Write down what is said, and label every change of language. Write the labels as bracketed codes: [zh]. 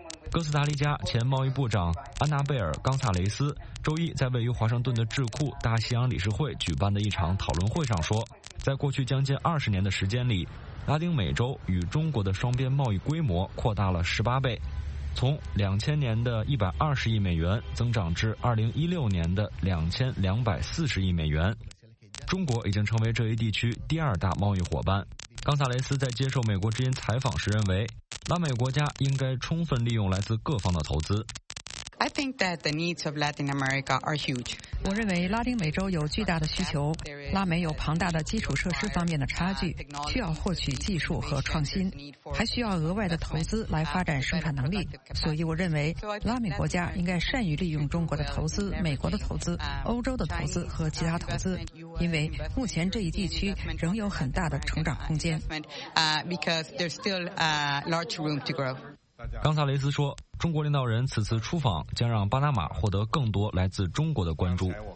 [zh] 哥斯达黎加前贸易部长安娜贝尔·冈萨雷斯周一在位于华盛顿的智库大西洋理事会举办的一场讨论会上说，在过去将近20年的时间里，拉丁美洲与中国的双边贸易规模扩大了18倍，从2000年的120亿美元增长至2016年的2240亿美元。中国已经成为这一地区第二大贸易伙伴。冈萨雷斯在接受美国之音采访时认为，拉美国家应该充分利用来自各方的投资。 [en] I think that the needs of Latin America are huge. [zh] 我认为拉丁美洲有巨大的需求，拉美有庞大的基础设施方面的差距，需要获取技术和创新，还需要额外的投资来发展生产能力。所以我认为拉美国家应该善于利用中国的投资、美国的投资、欧洲的投资和其他投资，因为目前这一地区仍有很大的成长空间。 [en] Because there's still a large room to grow. [zh] 冈萨雷斯说，中国领导人此次出访将让巴拿马获得更多来自中国的关注。